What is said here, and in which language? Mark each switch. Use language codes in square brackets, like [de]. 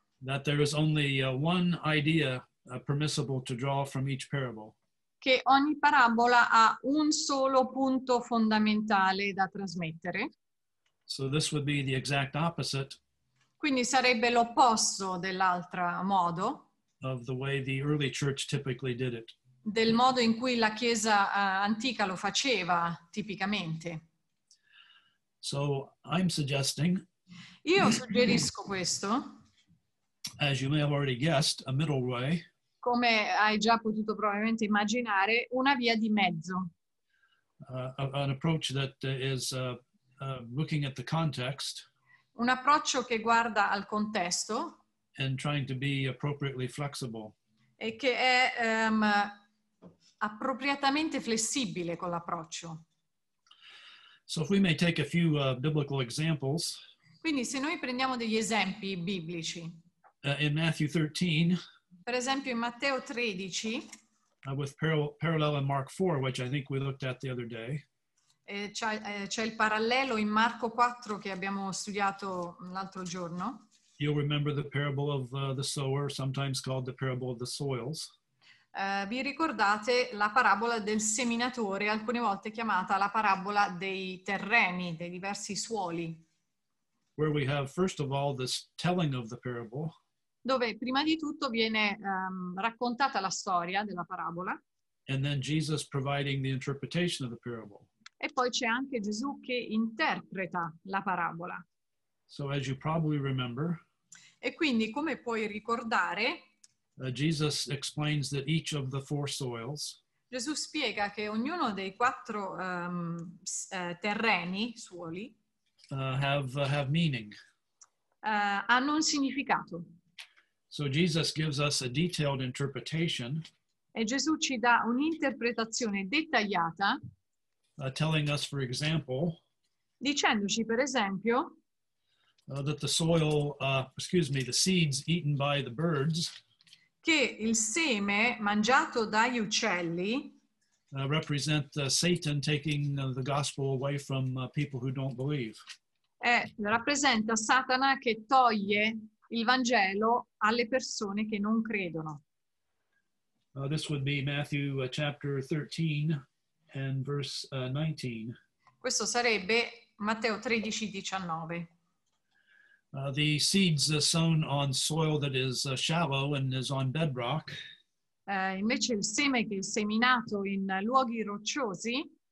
[en] That there is only one idea permissible to draw from each parable. [it] Che ogni parabola ha un solo punto fondamentale da trasmettere. [en] So this would be the exact opposite. [it] Quindi sarebbe l'opposto dell'altro modo. [en] Of the way the early church typically did it. [it] Del modo in cui la Chiesa antica lo faceva tipicamente. [en] So I'm suggesting. [it] Io suggerisco questo. [en] As you may have already guessed, a middle way. [it] Come hai già potuto probabilmente immaginare, una via di mezzo. [en] An approach that is looking at the context. [it] Un approccio che guarda al contesto. [en] And trying to be appropriately flexible. [it] E che è appropriatamente flessibile con l'approccio. [en] So if we may take a few biblical examples. [it] Quindi se noi prendiamo degli esempi biblici. [en] In Matthew 13. [it] Per esempio in Matteo 13. [en] With parallel in Mark 4, which I think we looked at the other day. [it] C'è il parallelo in Marco 4 che abbiamo studiato l'altro giorno. [en] You'll remember the parable of the sower, sometimes called the parable of the soils. [it] Vi ricordate la parabola del seminatore, alcune volte chiamata la parabola dei terreni, dei diversi suoli. [en] Where we have first of all this telling of the parable. [it] Dove prima di tutto viene raccontata la storia della parabola. [en] And then Jesus providing the interpretation of the parable. [it] E poi c'è anche Gesù che interpreta la parabola. [en] So as you probably remember, [it] e quindi come puoi ricordare, [en] Jesus explains that each of the four soils, [it] Gesù spiega che ognuno dei quattro terreni, suoli, [en] have meaning. [it] Hanno un significato. [en] So Jesus gives us a detailed interpretation. [it] E Gesù ci dà un'interpretazione dettagliata. [en] Telling us, for example, [it] dicendoci per esempio, [en] that the soil, the seeds eaten by the birds, [it] che il seme mangiato dagli uccelli, [en] represent Satan taking the gospel away from people who don't believe. [it] Rappresenta Satana che toglie il Vangelo alle persone che non credono. [en] This would be Matthew chapter 13. And verse 19. [it] Questo sarebbe Matteo 13:19. [en] The seeds are sown on soil that is shallow and is on bedrock. [it] Invece il seme che è seminato in luoghi rocciosi